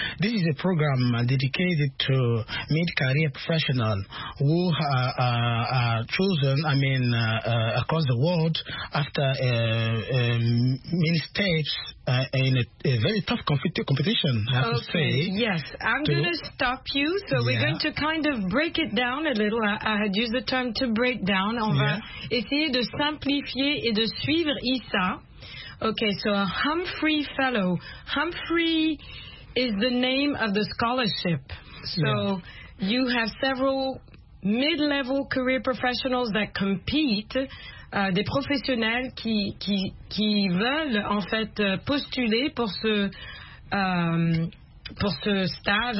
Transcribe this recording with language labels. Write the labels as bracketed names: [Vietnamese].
[English] This is a program dedicated to mid-career professionals who are chosen across the world after many steps in a very tough competition, I have okay. Yes, I'm going to stop you. So yeah. we're going to kind of break it down a little. I had used the term to break down. [French] On va essayer de simplifier et de suivre Issa. [English] Okay, so a Humphrey Fellow. Humphrey is the name of the scholarship. So yeah. you have several mid-level career professionals that compete. [French] Des professionnels qui veulent en fait postuler pour ce stage.